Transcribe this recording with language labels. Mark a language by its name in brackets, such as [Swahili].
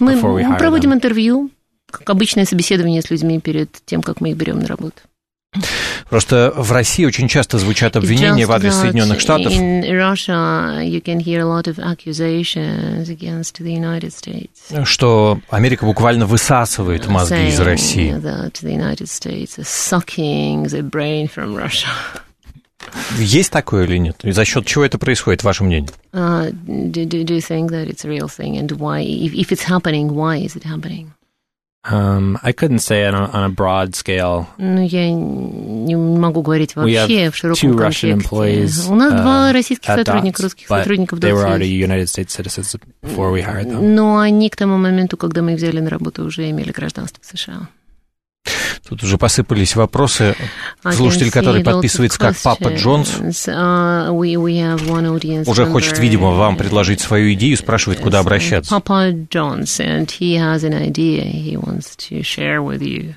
[Russian] Мы проводим интервью. Как обычное собеседование с людьми перед тем, как мы их берем на работу. Просто в России очень часто звучат обвинения в адрес Соединенных Штатов. [English] In Russia you can hear a lot of accusations against the United States. [Russian] Что Америка буквально высасывает мозги из России. [English] That the United States is sucking the brain from Russia. [Russian] Есть такое или нет? И за счет чего это происходит, ваше мнение? [English] Do you think that it's a real thing? And why? If it's happening, why is it happening? I couldn't say it on a broad scale. [Russian] Ну, я не могу говорить вообще в широком контексте. [English] Russian employees, [Russian] у нас два российских сотрудника, русских сотрудников. [English] They were already United States citizens before we hired them. [Russian] Но они к тому моменту, когда мы их взяли на работу, уже имели гражданство США. Тут уже посыпались вопросы. Слушатель, который подписывается как Папа Джонс, уже хочет, видимо, вам предложить свою идею, спрашивает, куда обращаться. [English] Папа Джонс, and he has an idea he wants to share with you.